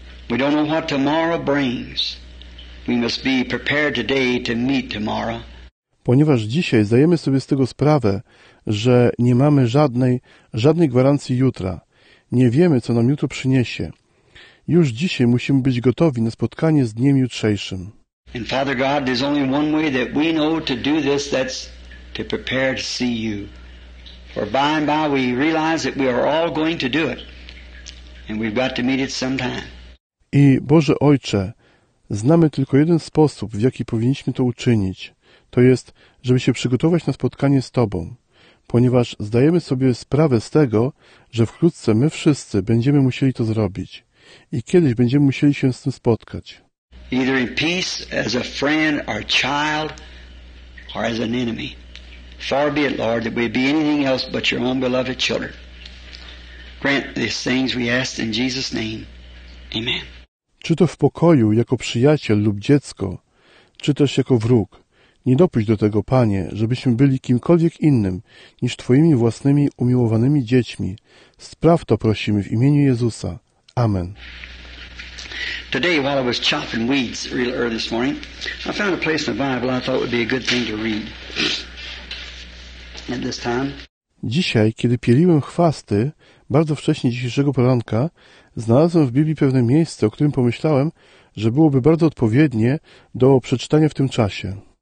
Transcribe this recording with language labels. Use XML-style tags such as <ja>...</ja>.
<en>We don't know what tomorrow brings. We must be prepared today to meet tomorrow.</en> <pl>Ponieważ dzisiaj zdajemy sobie z tego sprawę, że nie mamy żadnej gwarancji jutra. Nie wiemy, co nam jutro przyniesie. Już dzisiaj musimy być gotowi na spotkanie z dniem jutrzejszym.</pl> <en>And Father God, there's only one way that we know to do this, that's to prepare to see you. For by and by we realize that we are all going to do it. And we've got to meet it sometime.</en> <pl>I Boże Ojcze, znamy tylko jeden sposób, w jaki powinniśmy to uczynić. To jest, żeby się przygotować na spotkanie z Tobą, ponieważ zdajemy sobie sprawę z tego, że wkrótce my wszyscy będziemy musieli to zrobić i kiedyś będziemy musieli się z tym spotkać.</pl> <en>Either in peace as a friend or child or as an enemy. Far be it, Lord, that we be anything else but your own beloved children. Grant these things we ask in Jesus' name. Amen.</en> <pl>Czy to w pokoju, jako przyjaciel lub dziecko, czy też jako wróg. Nie dopuść do tego, Panie, żebyśmy byli kimkolwiek innym niż Twoimi własnymi umiłowanymi dziećmi. Spraw to, prosimy, w imieniu Jezusa. Amen.</pl> <en>Today, while I was chopping weeds real early this morning, I found a place in the Bible I thought would be a good thing to read. At this time.</en> <pl>Dzisiaj, kiedy pieliłem chwasty, bardzo wcześnie dzisiejszego poranka, znalazłem w Biblii pewne miejsce, o którym pomyślałem, że byłoby bardzo odpowiednie do przeczytania w tym czasie.</pl>